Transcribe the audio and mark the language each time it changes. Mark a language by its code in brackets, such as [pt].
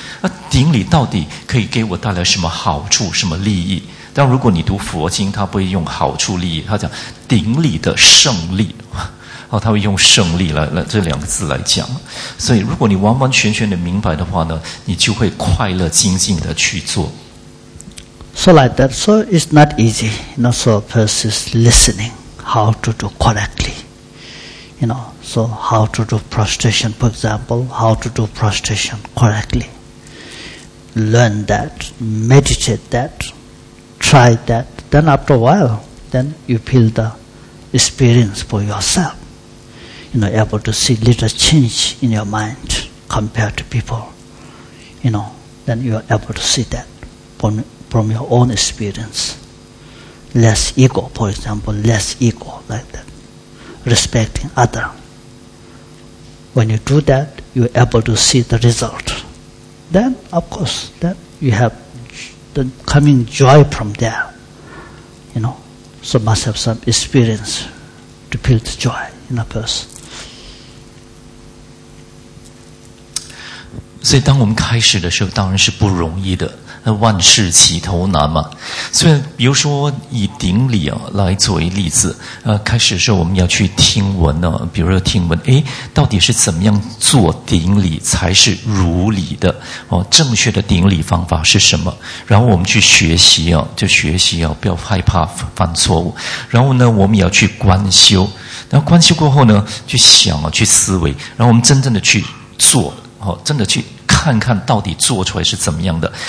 [zh] 那顶礼到底可以给我带来什么好处、什么利益？但如果你读佛经，他不会用好处利益，他讲顶礼的胜利，他会用胜利来这两个字来讲。所以如果你完完全全的明白的话呢，你就会快乐精进的去做。 [en] So like that, so it's not easy, you know, so a person is listening how to do correctly, you know, So how to do prostration, for example, how to do prostration correctly. Learn that, meditate that, try that. Then after a while, then you feel the experience for yourself. You know, able to see little change in your mind compared to people. You know, then you are able to see that from your own experience. Less ego, for example, less ego like that. Respecting other. When you do that, you are able to see the result. Then, of course, then you have the coming joy from there. You know, so must have some experience to feel the joy in a person. [zh] 所以当我们开始的时候当然是不容易的，万事起头难嘛。所以比如说以顶礼、来作为例子，开始的时候我们要去听闻、比如说听闻到底是怎么样做顶礼才是如理的、正确的顶礼方法是什么，然后我们去学习、就学习、不要害怕犯错误，然后呢我们也要去观修，然后观修过后呢去想、去思维，然后我们真正的去做，真的去看看到底做出来是怎么样的。